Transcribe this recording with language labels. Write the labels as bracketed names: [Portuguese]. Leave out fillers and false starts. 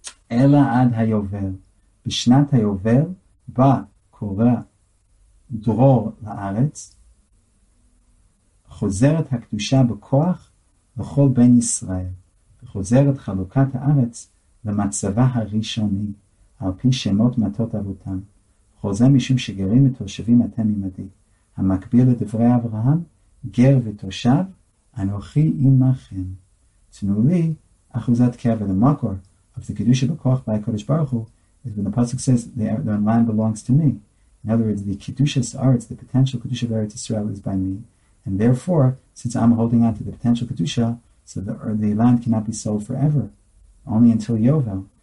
[Hebrew] Ela ad ha'yovel B'shnat ha'yovel Ba kora Dror la'aretz חוזרת הקדושה בכוח לכל בן ישראל, וחוזרת חלוקת הארץ למצבה הראשוני, על פי שמות מתות אבותם. חוזר משום שגרים ותושבים אתם ממדי, המקביל לדברי אברהם, גר ותושב, אנוכי עמכם. תנו לי אחוזת קבע. [English] The mocker of the Kiddusha בכוח by Kodesh Baruch Hu is when the pasuk says, the land belongs to me. In other words, the Kiddusha's arts, the potential Kiddusha of Eretz Israel is by me. And therefore, since I'm holding on to the potential Kedusha, so the land cannot be sold forever, only until Yovel.